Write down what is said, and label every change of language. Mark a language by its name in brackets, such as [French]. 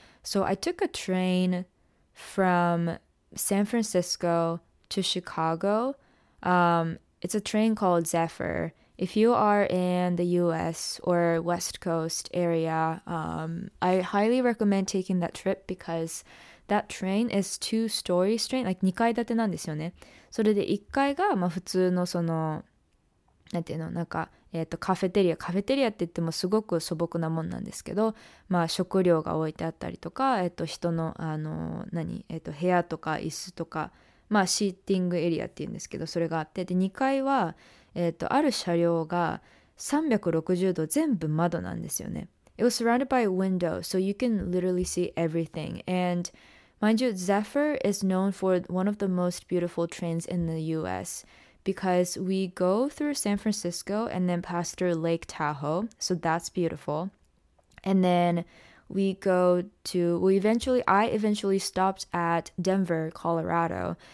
[English] So I took a train from San Francisco to Chicago. It's a train called Zephyr. If you are in the US or West Coast area, I highly recommend taking that trip because that train is two stories train, like [Japanese] 2階建てなんですよね。それで1階がまあ普通のそのなんていうのなんか、カフェテリア、カフェテリアって言ってもすごく素朴なもんなんですけど、まあ食料が置いてあったりとか、人のあの何、部屋とか椅子とか、まあシーティングエリアって言うんですけど、それがあって、で2階はある車両が360度全部窓なんですよね。 [English] It was surrounded by a window, so you can literally see everything. And mind you, Zephyr is known for one of the most beautiful trains in the US because we go through San Francisco and then pass through Lake Tahoe, so that's beautiful. And then I eventually stopped at Denver, Colorado.